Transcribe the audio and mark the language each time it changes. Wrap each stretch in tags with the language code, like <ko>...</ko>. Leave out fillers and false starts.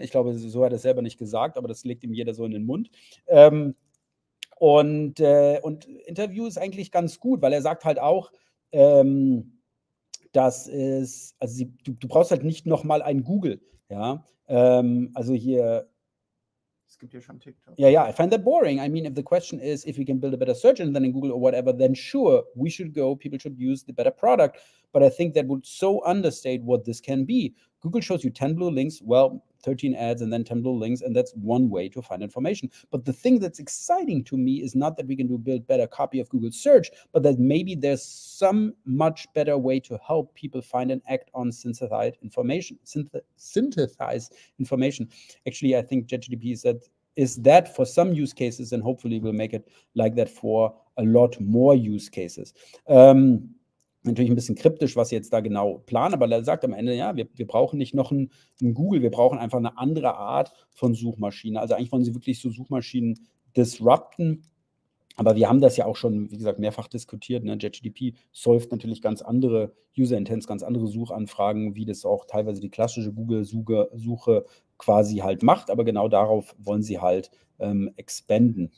<de>Ich glaube, so hat er es selber nicht gesagt, aber das legt ihm jeder so in den Mund. Und Interview ist eigentlich ganz gut, weil er sagt halt auch, das ist, also du brauchst halt nicht nochmal ein Google, ja, es gibt ja schon TikTok.</de> <en>I find that boring. I mean, if the question is, if we can build a better search engine than in Google or whatever, then sure, we should go, people should use the better product, but I think that would so understate what this can be. Google shows you 10 blue links, well, 13 ads and then 10 blue links, and that's one way to find information. But the thing that's exciting to me is not that we can do build better copy of Google search, but that maybe there's some much better way to help people find and act on synthesized information. Actually, I think JGDP is that for some use cases, and hopefully we'll make it like that for a lot more use cases.</en> <de>Natürlich ein bisschen kryptisch, was sie jetzt da genau planen, aber er sagt am Ende, ja, wir brauchen nicht noch ein Google, wir brauchen einfach eine andere Art von Suchmaschine. Also eigentlich wollen sie wirklich so Suchmaschinen disrupten, aber wir haben das ja auch schon, wie gesagt, mehrfach diskutiert, ne? JGDP solft natürlich ganz andere User Intents, ganz andere Suchanfragen, wie das auch teilweise die klassische Google-Suche quasi halt macht, aber genau darauf wollen sie halt expanden.</de>